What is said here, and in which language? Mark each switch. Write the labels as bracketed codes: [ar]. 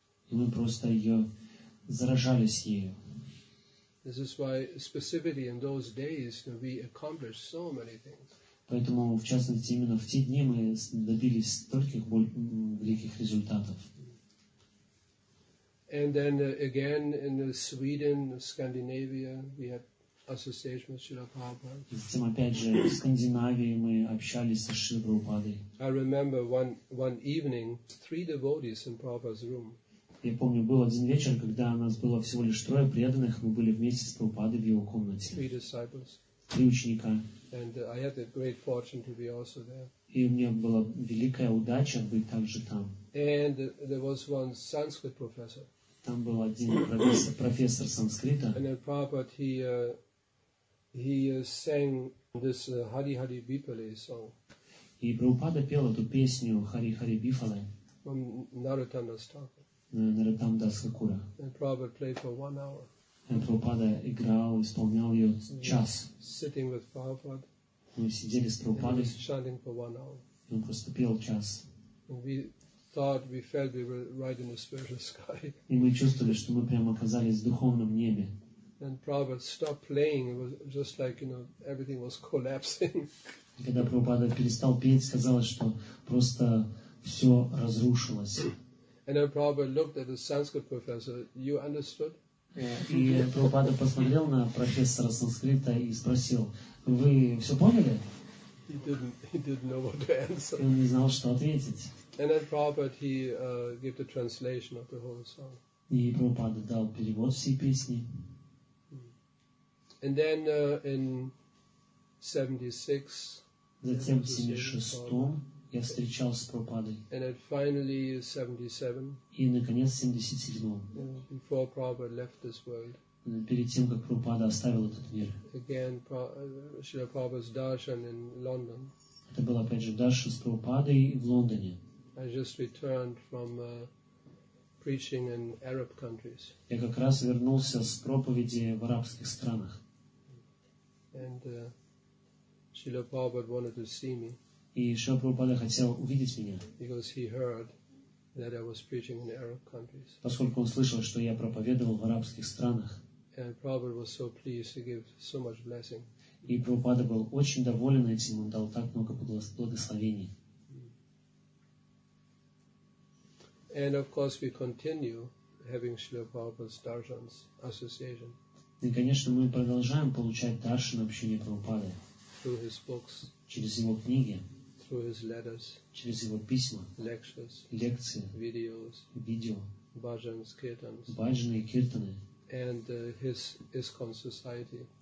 [ru] И мы просто ее заражались ею. [en] This is why specifically in those days we accomplished so many things. [ru] Поэтому, в частности, именно в те дни мы добились стольких великих результатов. [en] And then again in Sweden, Scandinavia, we had association with Srila Prabhupada. [ru] Затем опять же в Скандинавии мы общались со Шрилой Прабхупадой. [en] I remember one evening three devotees in Prabhupada's room. [ru] Я помню, был один вечер, когда нас было всего лишь трое преданных, мы были вместе с Прабхупадой в его комнате. [en] Three disciples. [ru] три ученика. [en] And I had a great fortune to be also there. [ru] И у меня была великая удача быть также там. [en] And there was one Sanskrit professor. [ru] Там был один профессор, профессор санскрита. [en] And then Prabhupada, he sang this Hari Hari Bipale song. [ru] И Прабхупада пел эту песню Хари Хари Бипале. [en] From Narottama's talk. Narottama's Thakura. And Prabhupada played for 1 hour. [ru] Прабхупада играл, исполнял ее час. [en] Sitting with Prabhupada. [ru] Мы сидели с Прабхупадой. [en] And he was chanting for 1 hour. [ru] И он просто пел час. [en] And we thought, we felt we were right in the spiritual sky. [ru] И мы чувствовали, что мы прямо оказались в духовном небе. [en] And Prabhupada stopped playing. It was just like, you know, everything was collapsing. [ru] Когда Прабхупада перестал петь, казалось, что просто все разрушилось. [en] And then Prabhupada looked at the Sanskrit professor. You understood? [ru] И Прабхупада посмотрел на профессора санскрита и спросил: «Вы все поняли?» [en] He didn't know what to answer. [ru] Он не знал, что ответить. [en] And then Prabhupada, gave the translation of the whole song. [ru] И Прабхупада дал перевод всей песни. [en] And then in 76, [ru] затем в 76-м я встречался с Прабхупадой. [en] And then finally in 77. [ru] И наконец в 77-м. [en] Before Prabhupada left this world. [ru] Перед тем, как Прабхупада оставил этот мир. [en] Again, Srila Prabhupada's darshan in London. [ru] Это был опять же даршан с Прабхупадой в Лондоне. [en] I just returned from preaching in Arab countries. [ru] Я как раз вернулся с проповеди в арабских странах. [en] And Srila Prabhupada wanted to see me. [ru] И Шрила Прабхупада хотел увидеть меня. [en] Because he heard that I was preaching in Arab countries. [ru] Поскольку он слышал, что я проповедовал в арабских странах. [en] And Prabhupada was so pleased to give so much blessing. [ru] И Прабхупада был очень доволен этим, он дал так много благословений. [en] And of course we continue having Srila Prabhupada's darshans association. [ru] И, конечно, мы продолжаем получать даршан общения Прабхупады. [en] Through his books. [ru] Через его книги. [en] Through his letters. [ru] Через его письма. [en] Lectures. [ru] Лекции. [en] Videos. [ru] Видео. [en] Bhajans, kirtans. [ru] Bhajans и киртаны. [en] And his ISKCON society.